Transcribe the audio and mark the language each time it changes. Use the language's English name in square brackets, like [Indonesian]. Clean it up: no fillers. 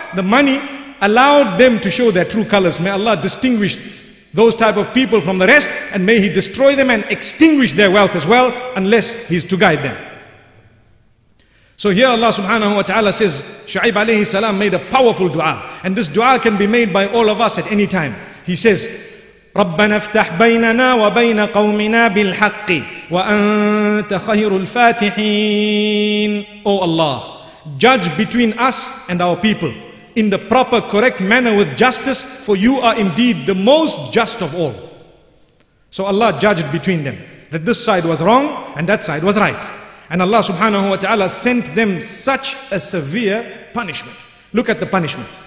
[English] The money allowed them to show their true colors. May Allah distinguish those type of people from the rest, and may He destroy them and extinguish their wealth as well, unless He's to guide them. So here Allah subhanahu wa ta'ala says, Shu'aib alayhi salam made a powerful dua. And this dua can be made by all of us at any time. He says, [Arabic] رَبَّنَا افْتَحْ بَيْنَنَا وَبَيْنَ قَوْمِنَا بِالْحَقِّ وَأَنْتَ خَيْرُ الْفَاتِحِينَ. [English] Oh Allah, judge between us and our people in the proper, correct manner with justice, for you are indeed the most just of all. So Allah judged between them that this side was wrong and that side was right. And Allah subhanahu wa ta'ala sent them such a severe punishment. Look at the punishment.